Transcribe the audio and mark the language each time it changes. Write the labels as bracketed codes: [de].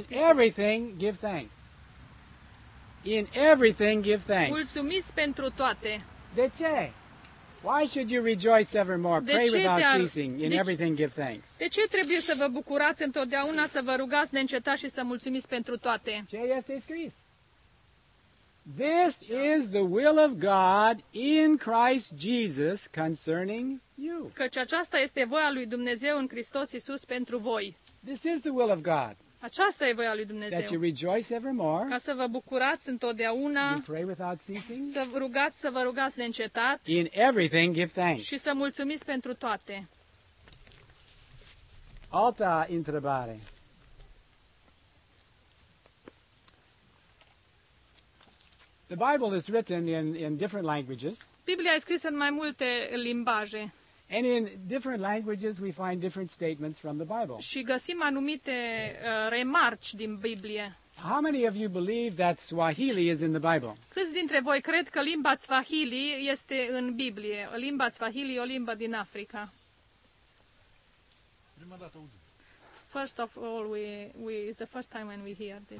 [en] In everything give thanks. In everything give thanks. [ro] Mulțumiți pentru toate. De ce? [en] Why should you rejoice evermore? Pray without ceasing. In everything give thanks. [ro] De ce trebuie să vă bucurați întotdeauna, să vă rugați neîncetat și să mulțumiți pentru toate? Ce este scris? [en] This is the will of God in Christ Jesus concerning you. [ro] Căci aceasta este voia lui Dumnezeu în Hristos Iisus pentru voi. [en] This is the will of God. [ro] Aceasta e voia lui Dumnezeu. [en] That you rejoice evermore. [ro] Ca să vă bucurați întotdeauna. [en] You pray without ceasing. [ro] Să rugați, să vă rugați neîncetat. [en] In everything give thanks. [ro] Și să mulțumiți pentru toate. Alta întrebare. [en] The Bible is written in different languages. [ro] Biblia e scrisă în mai multe limbaje. [en] And in different languages we find different statements from the Bible. [ro] Și găsim anumite remarci din Biblie. [en] How many of you believe that Swahili is in the Bible? [ro] Câți dintre voi cred că limba Swahili este în Biblie? Limba Swahili, o limbă din Africa. Prima dată aud. [en] First of all we is the first time when we hear this.